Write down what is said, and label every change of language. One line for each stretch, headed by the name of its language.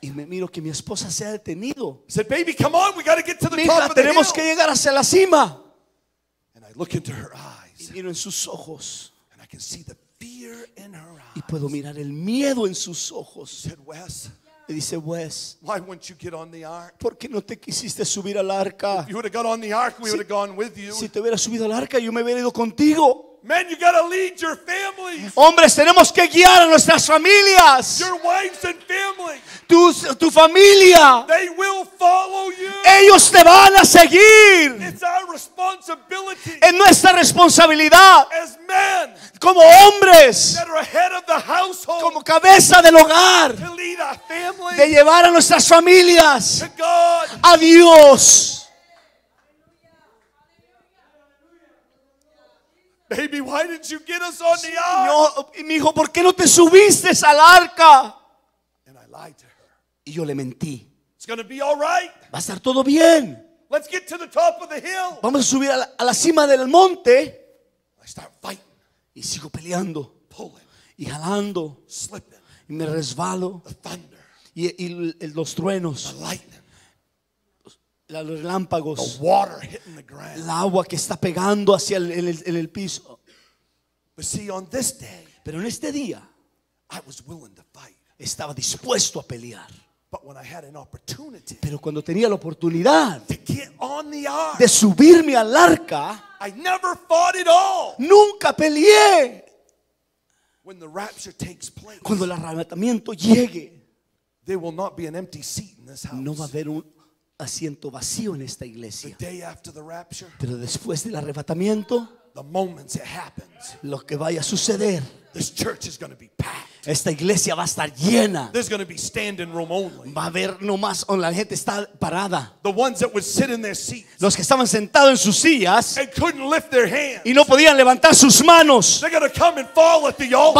Spanish: Y me miro que mi esposa se ha detenido.
English: I said, baby, come on, we gotta get to the
Spanish: Mija,
English: top of the hill.
Spanish: Tenemos que llegar hacia la cima.
English: And I look into her eyes.
Spanish: Y miro en sus ojos.
English: And I can see the fear in her eyes.
Spanish: Y puedo mirar el miedo en sus ojos.
English: She said, Wes.
Spanish: Y dice Wes,
English: why won't you get on the ark?
Spanish: ¿Por qué no te quisiste subir al arca?
English: If you would have got on the ark, we would have gone with you.
Spanish: Si te hubieras subido al arca, yo me hubiera ido contigo.
English: Men, you gotta lead your families.
Spanish: Hombres, tenemos que guiar a nuestras familias.
English: Your wives and family.
Spanish: Tu familia.
English: They will follow you.
Spanish: Ellos te van a seguir.
English: It's our responsibility.
Spanish: Es nuestra responsabilidad.
English: As men.
Spanish: Como hombres.
English: That are head of the household.
Spanish: Como cabeza del hogar.
English: To lead our families.
Spanish: De llevar a nuestras familias.
English: To God.
Spanish: A Dios.
English: Baby, why didn't you get us on the ark?
Spanish: No, mi hijo, ¿por qué no te subiste al arca?
English: And I lied to her.
Spanish: Y yo le mentí.
English: It's gonna be all right.
Spanish: Va a estar todo bien.
English: Let's get to the top of the hill.
Spanish: Vamos a subir a la cima del monte.
English: I start fighting.
Spanish: Y sigo peleando.
English: Pulling.
Spanish: Y jalando.
English: Slipping.
Spanish: Y me resbalo.
English: The thunder.
Spanish: Y los truenos.
English: The lightning.
Spanish: Los relámpagos,
English: the water hitting the ground.
Spanish: El agua que está pegando hacia el piso.
English: But see, on this day,
Spanish: pero en este día,
English: I was willing to fight.
Spanish: Estaba dispuesto a pelear.
English: But when I had an opportunity,
Spanish: pero cuando tenía la oportunidad
English: to get on the ark,
Spanish: de subirme al arca,
English: I never fought it all.
Spanish: Nunca peleé.
English: When the rapture takes place,
Spanish: cuando el arrebatamiento llegue,
English: there will not be an empty seat in this house.
Spanish: No va a haber un asiento vacío en esta iglesia.
English: The day after the rapture,
Spanish: pero después del arrebatamiento,
English: the moments it happens,
Spanish: lo que vaya a suceder,
English: this church is going to be packed.
Spanish: Esta iglesia va a estar llena.
English: There's going to be standing room only.
Spanish: Va a haber no más, la gente está parada.
English: The ones that would sit in their seats.
Spanish: Los que estaban sentados en sus sillas.
English: And couldn't lift their hands.
Spanish: Y no podían levantar sus manos.
English: They're going to come and fall at the altar.